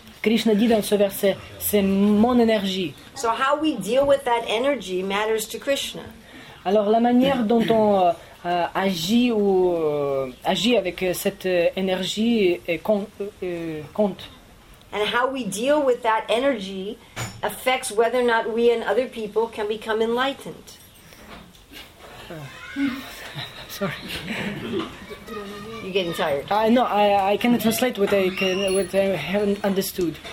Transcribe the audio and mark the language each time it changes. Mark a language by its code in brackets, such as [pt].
[fr] Krishna dit dans ce verset, c'est mon énergie. [en] So how we deal with that energy matters to Krishna. [fr] Alors la manière dont on agit avec cette énergie compte. [en] And how we deal with that energy affects whether or not we and other people can become enlightened. Sorry. You're getting tired. No, I can translate what I haven't understood.